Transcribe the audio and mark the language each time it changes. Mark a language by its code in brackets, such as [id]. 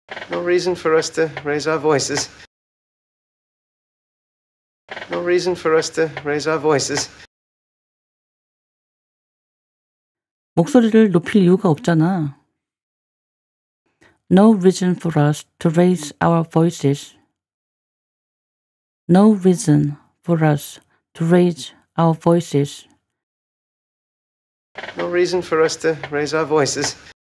[en] No reason for us to raise our voices. No reason for us to raise our voices. [ko] 목소리를 높일 이유가 없잖아. [en] No reason for us to raise our voices. No reason for us to raise our voices. No reason for us to raise our voices.